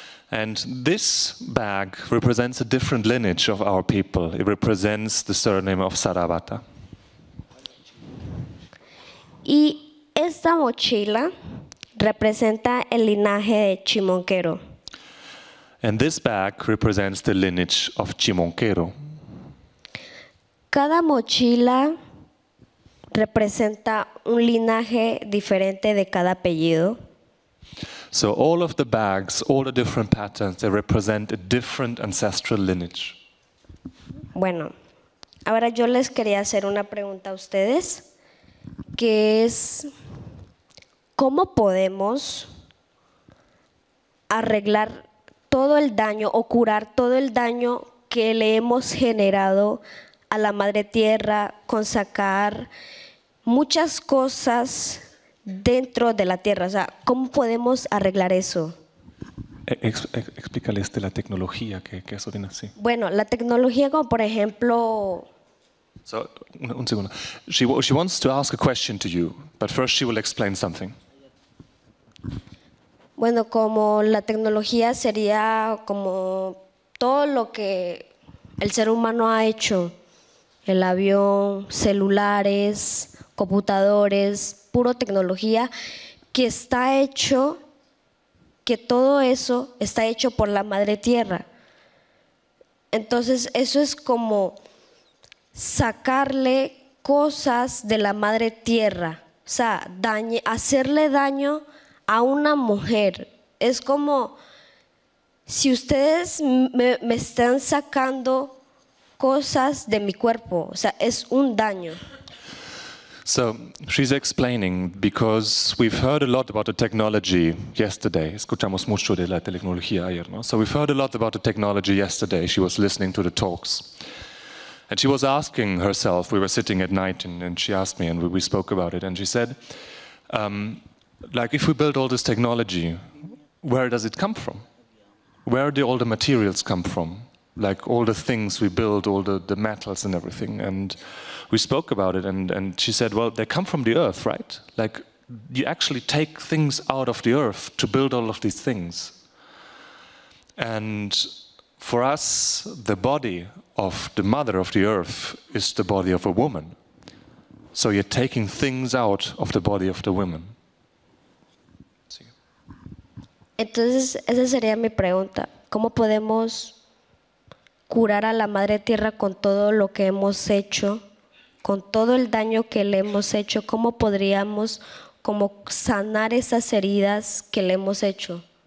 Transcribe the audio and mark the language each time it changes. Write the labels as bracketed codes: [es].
[en] And this bag represents a different lineage of our people. It represents the surname of Zarabata. [es] Y esta mochila representa el linaje de Chimonquero. [en] And this bag represents the lineage of Chimonquero. [es] Cada mochila representa un linaje diferente de cada apellido. [en] So all of the bags, all the different patterns, they represent a different ancestral lineage. [es] Bueno, ahora yo les quería hacer una pregunta a ustedes, que es, ¿cómo podemos arreglar todo el daño o curar todo el daño que le hemos generado a la Madre Tierra con sacar muchas cosas dentro de la Tierra? O sea, ¿cómo podemos arreglar eso? Explícales de la tecnología, que eso viene así. Bueno, la tecnología como por ejemplo... So, un segundo. [en] She wants to ask a question to you, but first she will explain something. [es] Bueno, como la tecnología sería como todo lo que el ser humano ha hecho. El avión, celulares, computadores, puro tecnología, que está hecho, que todo eso está hecho por la Madre Tierra. Entonces, eso es como sacarle cosas de la Madre Tierra. O sea, hacerle daño a una mujer. Es como si ustedes me están sacando cosas de mi cuerpo. O sea, es un daño. [en] So, she's explaining, because we've heard a lot about the technology yesterday. [es] Escuchamos mucho de la tecnología ayer, ¿no? [en] So we've heard a lot about the technology yesterday. She was listening to the talks. And she was asking herself, we were sitting at night, and she asked me, and we spoke about it, and she said, like, if we build all this technology, where does it come from? Where do all the materials come from? Like all the things we build, all the metals and everything. And we spoke about it, and she said, well, they come from the earth, right? Like, you actually take things out of the earth to build all of these things. And for us, the body of the mother of the earth is the body of a woman. So you're taking things out of the body of the woman. [es] Sí. Entonces, esa sería mi pregunta. ¿Cómo podemos curar a la Madre Tierra con todo lo que hemos hecho, con todo el daño que le hemos hecho? ¿Cómo podríamos como sanar esas heridas que le hemos hecho?